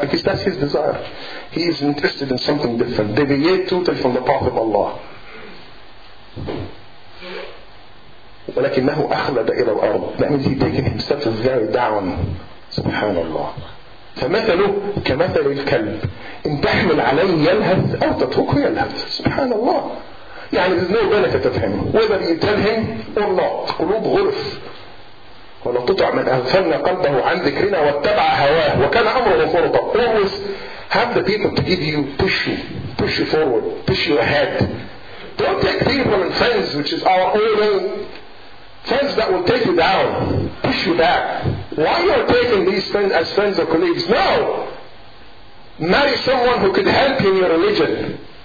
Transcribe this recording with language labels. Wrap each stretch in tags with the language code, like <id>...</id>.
<en>Because that's his desire. He is interested in something different. Deviate totally from the path of Allah.</en> <ar>ولكنه أخلد إلى الأرض.</ar> <en>That means he taken himself very down.</en> <ar>سبحان الله. فمثله كمثل الكلب. إن تحمل عليه يلهث أو تتركه يلهث. سبحان الله.</ar> <en>يعني there's no benefit of him. Whether you tell him or not.</en> <ar>قلوب غرف. ولا تطع من أغفلنا قلبه عن ذكرنا واتبع هواه وكان أمره فرطا.</ar> <en>Always have the people to give you, push you, push you forward, push you ahead. Don't take people and friends, which is our own friends that will take you down, push you back. Why you are taking these friends as friends or colleagues? No! Marry someone who could help you in your religion.</en>